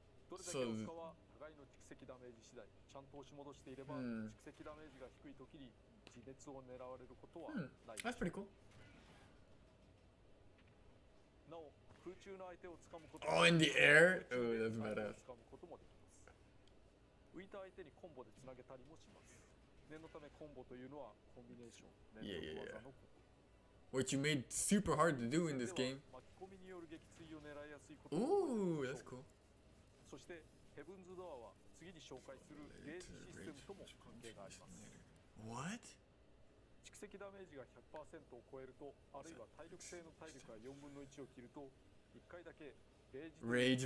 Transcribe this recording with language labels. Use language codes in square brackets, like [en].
[ja] どれだけ押すかは互いの蓄積ダメージ次第。ちゃんと押し戻していれば、蓄積ダメージが低い時に自滅を狙われることはない。 [en] That's pretty cool。 [ja] なお空中の相手を掴むこと、 [en] Oh, in the air? Oh, that's badass。 [ja] 掴むこともできます。浮いた相手にコンボでつなげたりもします。念のためコンボというのはコンビネーション連続技のこと。Yeah. [en] Which you made super hard to do in this game。 [ja] 巻き込みによる撃墜を狙いやすいこと。 [en] Ooh, that's cool。 [ja] そしてヘブンズドアは次に紹介するゲージシステムとも関係があります。 [en] What? [ja] 蓄積ダメージが 100% を超えると、あるいは体力性の体力が4分の1を切ると、1回だけレージ